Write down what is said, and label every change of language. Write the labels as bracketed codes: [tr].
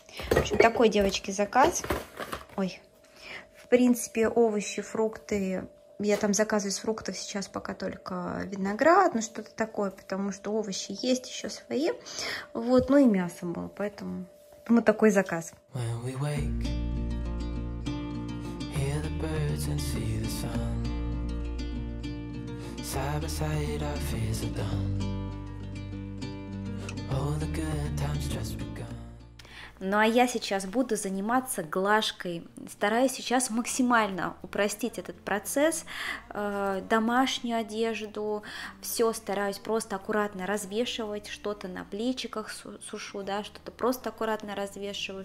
[ru] В общем, такой, девочки, заказ. Ой. В принципе, овощи, фрукты... Я там заказываю с фруктов сейчас пока только виноград, ну что-то такое, потому что овощи есть еще свои. Вот, ну и мясо было, поэтому... Вот такой заказ. [en] When we wake, hear the birds and see the sun. Side by side, our fears are done. All the good times just begun. [ru] Ну, а я сейчас буду заниматься глажкой. Стараюсь сейчас максимально упростить этот процесс. Домашнюю одежду, все стараюсь просто аккуратно развешивать. Что-то на плечиках сушу, да, что-то просто аккуратно развешиваю.